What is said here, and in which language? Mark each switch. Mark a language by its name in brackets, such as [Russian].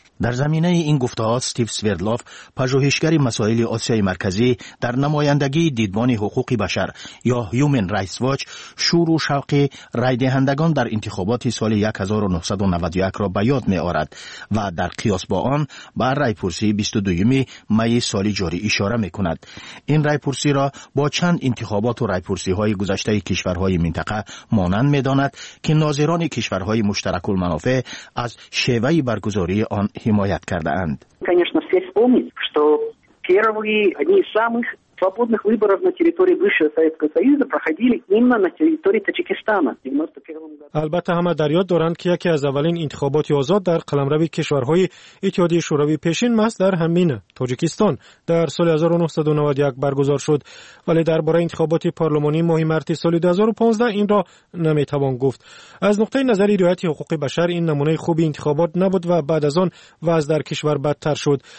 [Persian] در زمینه این گفته‌ها استیو سویردلوف، پژوهشگر مسائل آسیای مرکزی در نمایندگی دیدبان حقوق بشر یا هیومن رایتس واچ، شور و شوق رای دهندگان در انتخابات سال 1991 را به یاد می‌آورد و در قیاس با آن به رایپرسی 22 می سال جاری اشاره می‌کند. این رایپرسی را با چند انتخابات و رایپرسی‌های گذشته کشورهای منطقه مانند می‌داند که ناظران کشورهای مشترک المنافع از شیوه برگزاری آن حمایت کرده اند. [Russian] Конечно, все вспомнить, что первые одни из самых свободных выборов на территории бывшего Советского Союза проходили именно на территории Таджикистана в 91 году. [Tajik] Албатта ҳама дар ёд доранд ки яке аз аввалин интихоботи озод дар қаламрави кишварҳои Иттиҳодияи Шӯравии пешин мас дар ҳамин Таҷикистон дар соли 1991 баргузор шуд, вале дар бораи интихоботи парламонии моҳи марти соли 2015 инро наметавон гуфт. Аз нуқтаи назари риояти ҳуқуқи башар ин намунаи хуби интихобот набуд ва баъд аз он вазъ дар кишвар бадтар шуд.